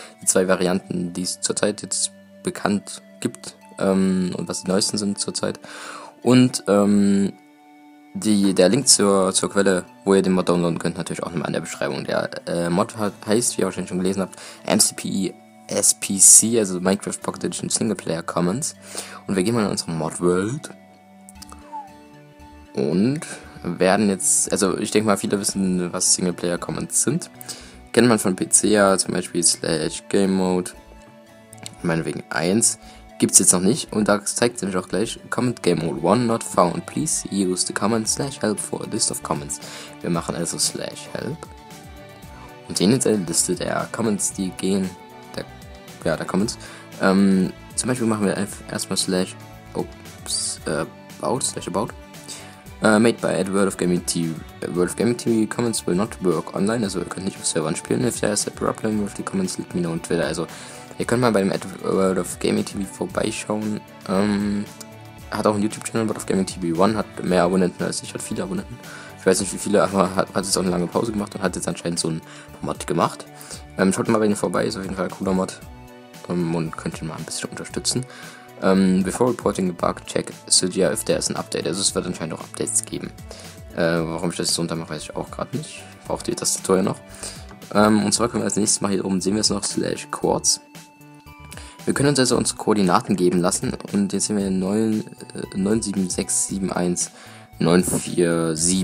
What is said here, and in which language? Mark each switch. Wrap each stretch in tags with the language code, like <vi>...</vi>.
<de>Die zwei Varianten, die es zurzeit jetzt bekannt gibt. Und was die neuesten sind zurzeit. Und der Link zur Quelle, wo ihr den Mod downloaden könnt, natürlich auch nochmal in der Beschreibung. Der Mod heißt, wie ihr wahrscheinlich schon gelesen habt, MCPE. SPC, also Minecraft Pocket Edition Singleplayer Commons. Und wir gehen mal in unsere Mod-World. Und werden jetzt, also ich denke mal, viele wissen, was Singleplayer Commons sind. Kennt man von PC ja, zum Beispiel / Game Mode. Meinetwegen 1. Gibt's jetzt noch nicht. Und da zeigt es nämlich auch gleich:</de> <en>Comment Game Mode 1 not found. Please use the comment /help for a list of comments.</en> <de>Wir machen also /help. Und sehen jetzt eine Liste der Comments, die gehen. Ja, da kommen's. Zum Beispiel machen wir erstmal /about.</de> <en>Made by at World of Gaming TV. World of Gaming TV comments will not work online.</en> <de>Also ihr könnt nicht auf Servern spielen.</de> <en>If there is a problem with the comments, let me know on Twitter.</en> <de>Also ihr könnt mal bei dem at World of Gaming TV vorbeischauen. Hat auch einen YouTube-Channel, World of Gaming TV 1, hat mehr Abonnenten als ich, hat viele Abonnenten. Ich weiß nicht wie viele, aber hat jetzt auch eine lange Pause gemacht und hat jetzt anscheinend so einen Mod gemacht. Schaut mal bei denen vorbei, ist auf jeden Fall ein cooler Mod. Und könnt ihr mal ein bisschen unterstützen.</de> <en>Before reporting a bug, check Sudia if there is an update.</en> <de>Also es wird anscheinend auch Updates geben. Warum ich das so untermache, weiß ich auch gerade nicht. Braucht ihr das Tutorial noch? Und zwar können wir als nächstes mal hier oben sehen wir es noch / Quartz. Wir können uns also unsere Koordinaten geben lassen. Und jetzt sehen wir 976 71 947.</de>